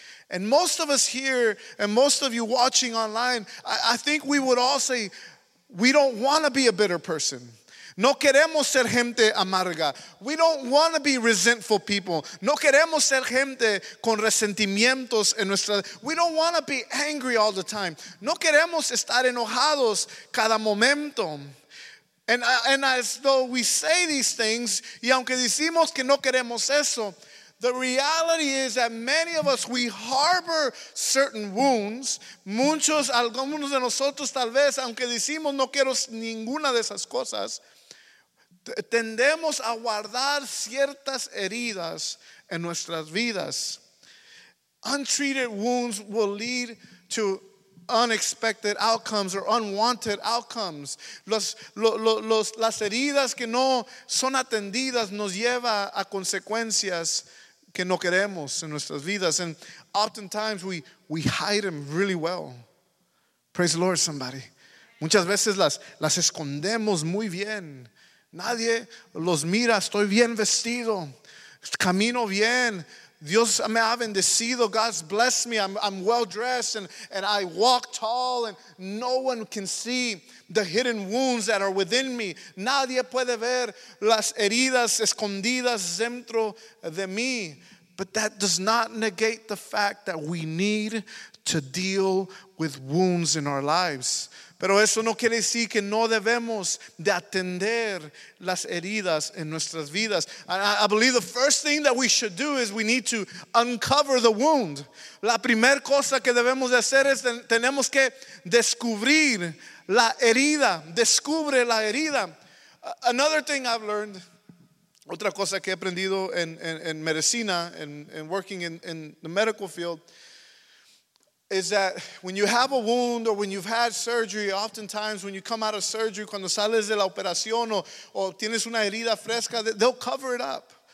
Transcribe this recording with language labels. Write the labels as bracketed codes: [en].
[en] And most of us here, and most of you watching online, I think we would all say, we don't want to be a bitter person. [es] No queremos ser gente amarga. [en] We don't want to be resentful people. [es] No queremos ser gente con resentimientos en nuestra. [en] We don't want to be angry all the time. [es] No queremos estar enojados cada momento. [en] And as though we say these things, [es] y aunque decimos que no queremos eso, [en] the reality is that many of us, we harbor certain wounds. [es] Muchos, algunos de nosotros tal vez, aunque decimos no quiero ninguna de esas cosas, tendemos a guardar ciertas heridas en nuestras vidas. [en] Untreated wounds will lead to unexpected outcomes or unwanted outcomes. [es] Las heridas que no son atendidas nos lleva a consecuencias que no queremos en nuestras vidas. [en] And oftentimes we hide them really well. Praise the Lord, somebody. [es] Muchas veces las escondemos muy bien. Nadie los mira, estoy bien vestido, camino bien, Dios me ha bendecido, [en] God's blessed me, I'm well dressed and I walk tall and no one can see the hidden wounds that are within me. [es] Nadie puede ver las heridas escondidas dentro de mí. [en] But that does not negate the fact that we need to deal with wounds in our lives. [es] Pero eso no quiere decir que no debemos de atender las heridas en nuestras vidas. [en] I believe the first thing that we should do is we need to uncover the wound. [es] La primera cosa que debemos de hacer es tenemos que descubrir la herida. Descubre la herida. [en] Another thing I've learned, [es] otra cosa que he aprendido en medicina, [en] en working in the medical field, is that when you have a wound or when you've had surgery, oftentimes when you come out of surgery, [es] cuando sales de la operación o tienes una herida fresca, [en] they'll cover it up.